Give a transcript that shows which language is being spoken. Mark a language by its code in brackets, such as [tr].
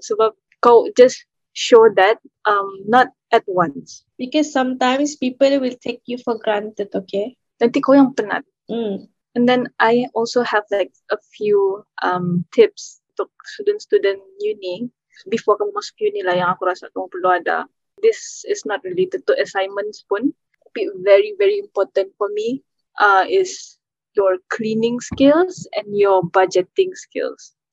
[ms] Sebab kau [en] just show that, not at once. Because sometimes people will take you for granted, okay? [ms] Nanti kau yang penat. Mm. [en] And then I also have like a few tips to student uni. Before [ms] kamu masuk uni lah yang aku rasa kamu perlu ada. [en] This is not related to assignments pun. Be very, very important for me is your cleaning skills and your budgeting skills.